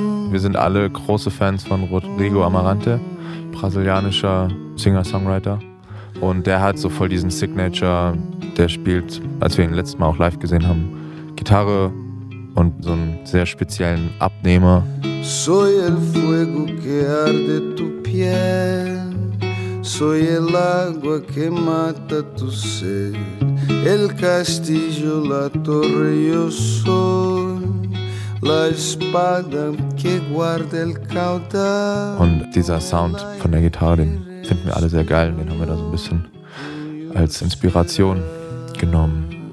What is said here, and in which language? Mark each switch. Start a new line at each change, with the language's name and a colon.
German: Wir sind alle große Fans von Rodrigo Amarante, brasilianischer Singer-Songwriter. Und der hat so voll diesen Signature, der spielt, als wir ihn letztes Mal auch live gesehen haben, Gitarre und so einen sehr speziellen Abnehmer.
Spanish: Soy el fuego que arde tu piel, soy el agua que mata tu sed, el castillo, la torre yo soy, la espada que guarda el caudal.
German: Und dieser Sound von der Gitarre, den finden wir alle sehr geil, den haben wir da so ein bisschen als Inspiration genommen.